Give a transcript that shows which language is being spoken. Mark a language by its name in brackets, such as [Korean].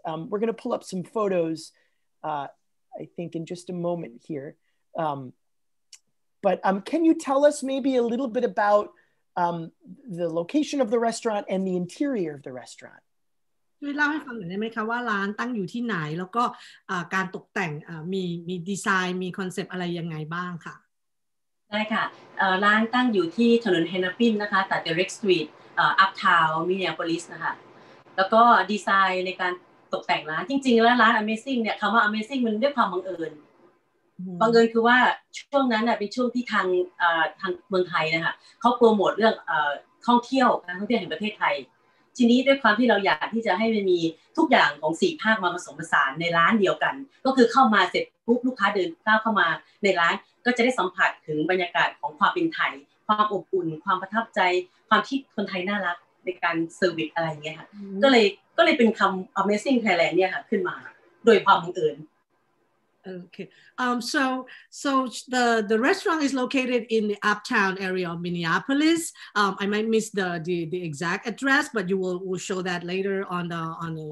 [English] We're gonna pull up some photos, I think in just a moment here. But can you tell us maybe a little bit about the location of the restaurant and the interior of the restaurant? [Thai] ช่วยเล่าให้ฟังหน่อยได้ไหมคะว่าร้านตั้งอยู่ที่ไหนแล้วก็การตกแต่งมีดีไซน์มีคอนเซปต์อะไรยังไงบ้างค่ะ ได้ค่ะร้านตั้งอยู่ที่ถนนเฮนนาปินนะคะตัดเดร็กสตรีทอัพทาวน์มินเนอโพลิสนะคะแล้วก็ดีไซน์ในการตกแต่งร้านจริงๆแล้วร้าน Amazing เนี่ยคำว่า Amazing มันด้วยความบังเอิญ mm-hmm. บังเอิญคือว่าช่วงนั้นน่ะเป็นช่วงที่ทาง เมืองไทยนะคะเขาโปรโมทเรื่องท่องเที่ยวการท่องเที่ยวแห่งประเทศไทยทีนี้ด้วยความที่เราอยากที่จะให้มันมีทุกอย่างของ4ภาคมาผสมผสานในร้านเดียวกันก็คือเข้ามาเสร็จปุ๊บลูกค้าเดินก้าวเข้ามาในร้านก็จะได้สัมผัสถึงบรรยากาศของความเป็นไทยความอบอุ่นความประทับใจความที่คนไทยน่ารักในการเซอร์วิสอะไรเงี้ยค่ะ mm-hmm. ก็เลยเป็นคำ Amazing Thailand เนี่ยค่ะขึ้นมาโดยความบังเอิญ [English] Okay. So the restaurant is located in the uptown area of Minneapolis. I might miss the exact address, but you will show that later on the